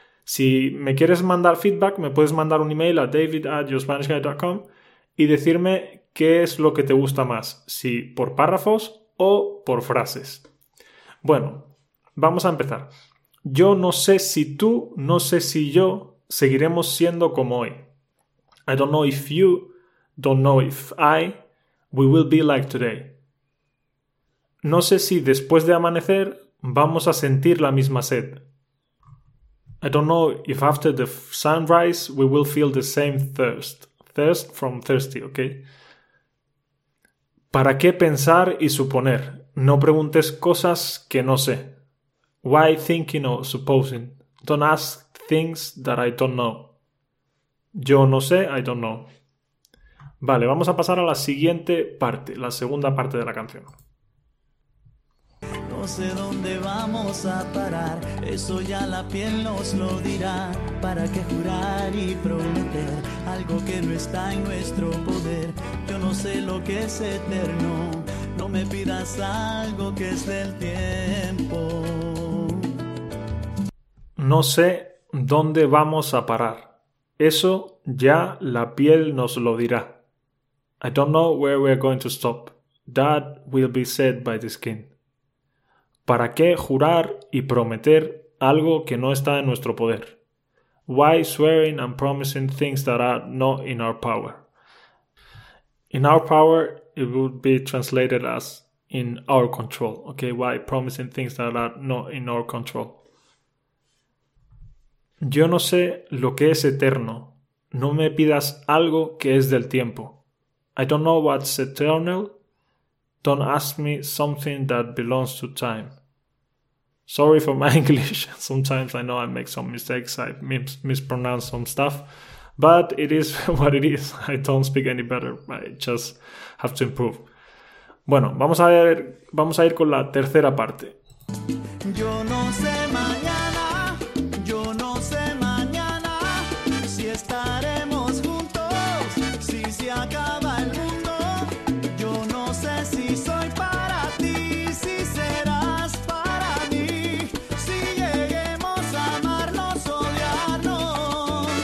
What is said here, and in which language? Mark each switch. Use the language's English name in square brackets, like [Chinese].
[Spanish] Si me quieres mandar feedback, me puedes mandar un email a david@yourspanishguide.com y decirme qué es lo que te gusta más, si por párrafos o por frases. Bueno, vamos a empezar. Yo no sé si tú, no sé si yo, seguiremos siendo como hoy. [English] I don't know if you, don't know if I, we will be like today. [Spanish] No sé si después de amanecer vamos a sentir la misma sed. [English] I don't know if after the sunrise we will feel the same thirst. Thirst from thirsty, okay? [Spanish] ¿Para qué pensar y suponer? No preguntes cosas que no sé. [English] Why thinking or supposing? Don't ask things that I don't know. [Spanish] Yo no sé, [English] I don't know. [Spanish] Vale, vamos a pasar a la siguiente parte, la segunda parte de la canción. No sé dónde vamos a parar, eso ya la piel nos lo dirá. ¿Para qué jurar y prometer algo que no está en nuestro poder? Yo no sé lo que es eterno, no me pidas algo que es del tiempo. No sé dónde vamos a parar, eso ya la piel nos lo dirá. [English] I don't know where we are going to stop, that will be said by the skin. [Spanish] ¿Para qué jurar y prometer algo que no está en nuestro poder? [English] Why swearing and promising things that are not in our power? In our power, it would be translated as in our control. Okay, why promising things that are not in our control? [Spanish] Yo no sé lo que es eterno. No me pidas algo que es del tiempo. [English] I don't know what's eternal. Don't ask me something that belongs to time. Sorry for my English. Sometimes I know I make some mistakes. I mispronounce some stuff. But it is what it is. I don't speak any better. I just have to improve. [Spanish] Bueno, vamos a ir con la tercera parte. Yo no sé mañana, yo no sé mañana, si estaremos juntos, si se acaba el mundo. Yo no sé si soy para ti, si serás para mí, si lleguemos a amarnos, odiarnos.